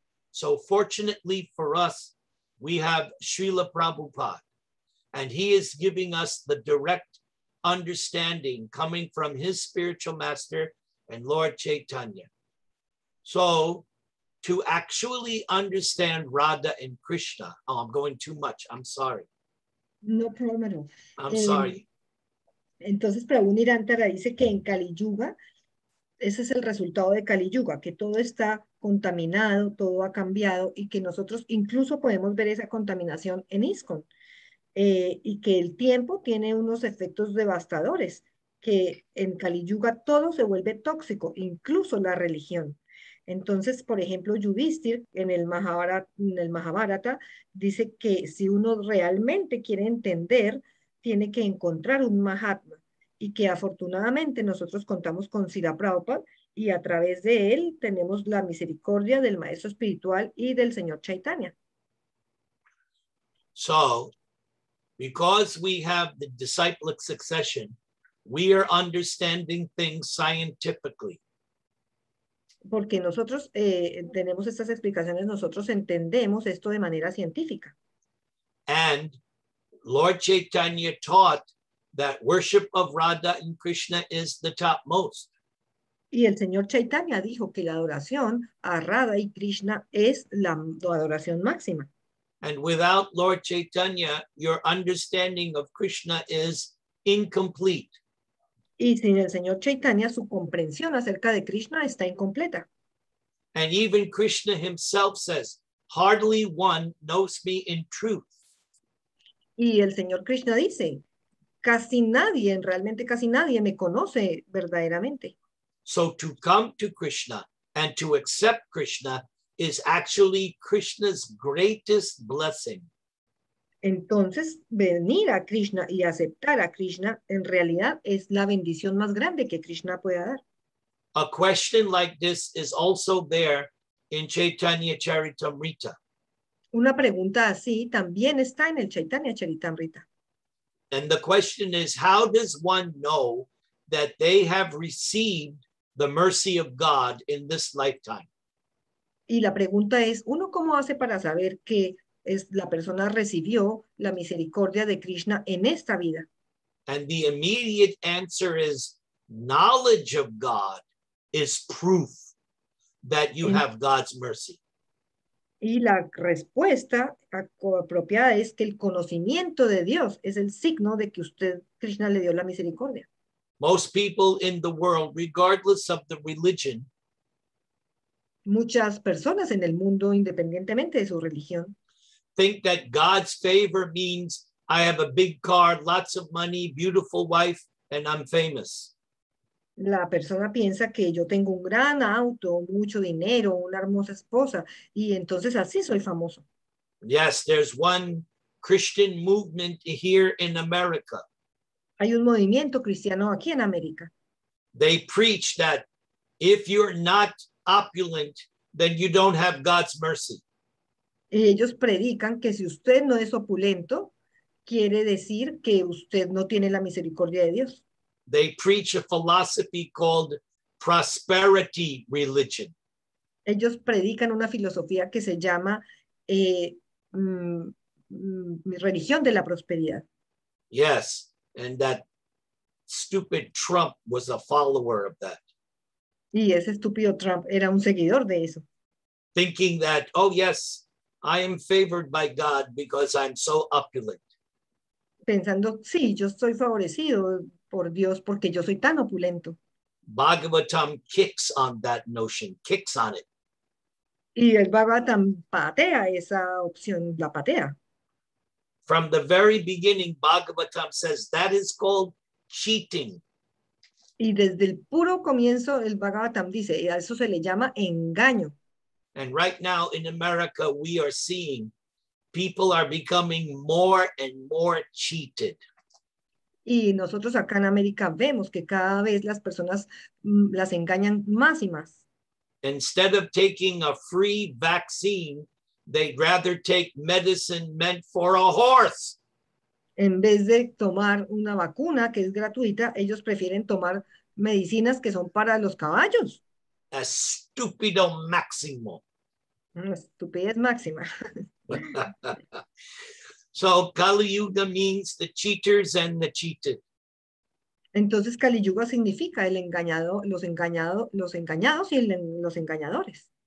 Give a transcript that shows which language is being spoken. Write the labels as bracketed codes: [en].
[en] So fortunately for us, we have Srila Prabhupada, and he is giving us the direct understanding coming from his spiritual master and Lord Chaitanya. So to actually understand Radha and Krishna, oh, I'm going too much. I'm sorry. No problem at all. I'm sorry. [es] Entonces, Prabhu Nirantara dice que en Kali Yuga, ese es el resultado de Kali Yuga, que todo está contaminado, todo ha cambiado y que nosotros incluso podemos ver esa contaminación en ISKCON y que el tiempo tiene unos efectos devastadores, que en Kali Yuga todo se vuelve tóxico, incluso la religión. Entonces, por ejemplo, Yudhishthir en el Mahabharata dice que si uno realmente quiere entender, tiene que encontrar un Mahatma y que afortunadamente nosotros contamos con Srila Prabhupada y a través de él tenemos la misericordia del Maestro Espiritual y del Señor Chaitanya. [en] So, because we have the disciplic succession, we are understanding things scientifically. [es] Porque nosotros tenemos estas explicaciones, nosotros entendemos esto de manera científica. [en] And Lord Chaitanya taught that worship of Radha and Krishna is the topmost. [es] Y el señor Chaitanya dijo que la adoración a Radha y Krishna es la adoración máxima. [en] And without Lord Chaitanya, your understanding of Krishna is incomplete. [es] Y sin el señor Chaitanya, su comprensión acerca de Krishna está incompleta. [en] And even Krishna himself says, hardly one knows me in truth. [es] Y el señor Krishna dice, casi nadie, realmente casi nadie me conoce verdaderamente. [en] So to come to Krishna and to accept Krishna is actually Krishna's greatest blessing. [es] Entonces, venir a Krishna y aceptar a Krishna, en realidad, es la bendición más grande que Krishna pueda dar. [en] A question like this is also there in Chaitanya Charitamrita. [es] Una pregunta así también está en el Chaitanya Charitamrita. [en] And the question is, how does one know that they have received the mercy of God in this lifetime? [es] Y la pregunta es, ¿uno cómo hace para saber que es la persona recibió la misericordia de Krishna en esta vida? [en] And the immediate answer is, knowledge of God is proof that you have God's mercy. [es] Y la respuesta apropiada es que el conocimiento de Dios es el signo de que usted, Krishna, le dio la misericordia. [en] Most people in the world, regardless of the religion, [es] muchas personas en el mundo, independientemente de su religión, [en] think that God's favor means I have a big car, lots of money, beautiful wife, and I'm famous. [es] La persona piensa que yo tengo un gran auto, mucho dinero, una hermosa esposa, y entonces así soy famoso. [en] Yes, there's one Christian movement here in America. [es] Hay un movimiento cristiano aquí en América. [en] They preach that if you're not opulent, then you don't have God's mercy. [es] Y ellos predican que si usted no es opulento, quiere decir que usted no tiene la misericordia de Dios. [en] They preach a philosophy called prosperity religion. [es] Ellos predican una filosofía que se llama religión de la prosperidad. [en] Yes, and that stupid Trump was a follower of that. [es] Y ese estúpido Trump era un seguidor de eso. [en] Thinking that, oh yes, I am favored by God because I'm so opulent. [es] Pensando, sí, yo estoy favorecido por Dios porque yo soy tan opulento. [en] Bhagavatam kicks on that notion, kicks on it. [es] Y el Bhagavatam patea esa opción, la patea. [en] From the very beginning, Bhagavatam says that is called cheating. [es] Y desde el puro comienzo, el Bhagavatam dice, y a eso se le llama engaño. [en] And right now in America, we are seeing people are becoming more and more cheated. [es] Y nosotros acá en América vemos que cada vez las personas las engañan más y más. [en] Instead of taking a free vaccine, they'd rather take medicine meant for a horse. [es] En vez de tomar una vacuna que es gratuita, ellos prefieren tomar medicinas que son para los caballos. A stupido máximo. Una estupidez máxima. [en] So Kali Yuga means the cheaters and the cheated. [es] Entonces Kali Yuga significa el engañado, los engañados, los engañados y los engañadores.